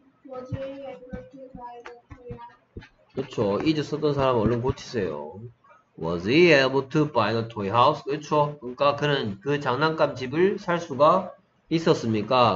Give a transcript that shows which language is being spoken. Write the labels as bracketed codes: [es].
[en] Was he able to buy the toy house? [ko] 그쵸. 이제 썼던 사람 얼른 고치세요. [en] Was he able to buy the toy house? [ko] 그쵸. 그러니까 그는 그 장난감 집을 살 수가 있었습니까?